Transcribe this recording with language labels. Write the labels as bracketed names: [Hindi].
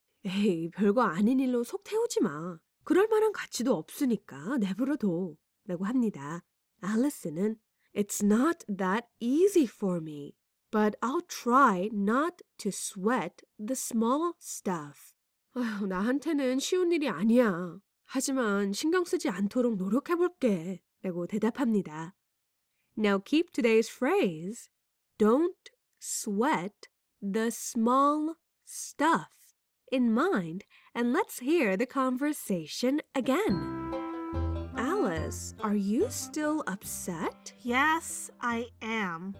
[Korean] 에이, 별거 아닌 일로 속 태우지 마. 그럴 만한 가치도 없으니까 내버려둬. 라고 합니다. 알리스는 [English] It's not that easy for me, but I'll try not to sweat the small stuff. [Korean] 어휴, 나한테는 쉬운 일이 아니야. 하지만 신경 쓰지 않도록 노력해볼게. 라고 대답합니다. [English] Now keep today's phrase. Don't sweat the small stuff in mind and let's hear the conversation again. Alice, are you still upset? Yes, I am.